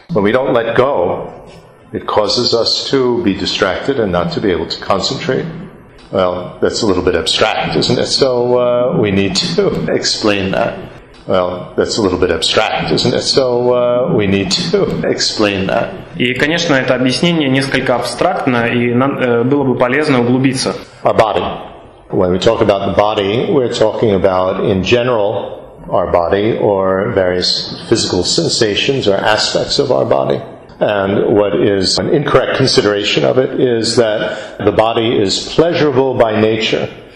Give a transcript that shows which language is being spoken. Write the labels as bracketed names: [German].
[English] When we don't let go, it causes us to be distracted and not to be able to concentrate. Well, that's a little bit abstract, isn't it? [Russian] И, конечно, это объяснение несколько абстрактно, и было бы полезно углубиться. [English] Our body. When we talk about the body, we're talking about, in general, our body or various physical sensations or aspects of our body. And what is an incorrect consideration of it is that the body is pleasurable by nature.